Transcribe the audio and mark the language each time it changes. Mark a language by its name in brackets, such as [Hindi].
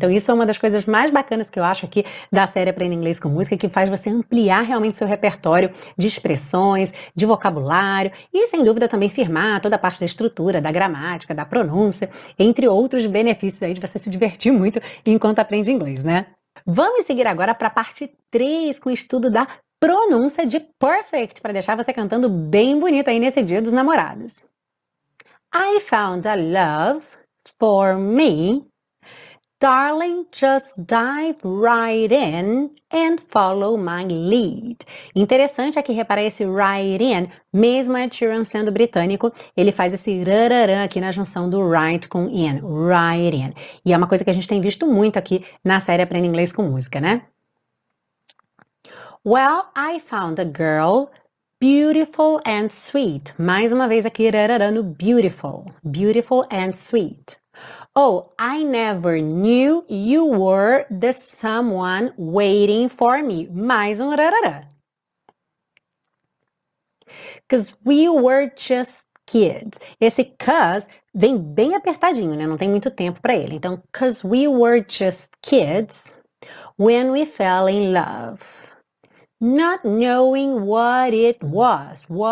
[Portuguese] Então, isso é uma das coisas mais bacanas que eu acho aqui da série Aprenda Inglês com Música, que faz você ampliar realmente seu repertório de expressões, de vocabulário e, sem dúvida, também firmar toda a parte da estrutura, da gramática, da pronúncia, entre outros benefícios aí de você se divertir muito enquanto aprende inglês, né? Vamos seguir agora para a parte 3 com o estudo da pronúncia de perfect, para deixar você cantando bem bonito aí nesse Dia dos Namorados. [English] I found a love for me. Darling, just dive right in and follow my lead. [Portuguese] Interessante aqui reparar esse right in, mesmo Ed Sheeran sendo britânico, ele faz esse rararam aqui na junção do right com in, right in. E é uma coisa que a gente tem visto muito aqui na série Aprenda Inglês com Música, né? [English] Well, I found a girl beautiful and sweet. [Portuguese] Mais uma vez aqui, rararano, beautiful. [English] Beautiful and sweet. Oh, I never knew you were the someone waiting for me. [Portuguese] Mais um rararã. [English] Because we were just kids. [Portuguese] Esse 'cause vem bem apertadinho, né? Não tem muito tempo para ele. [English] Então, because we were just kids when we fell in love. Not knowing what it was.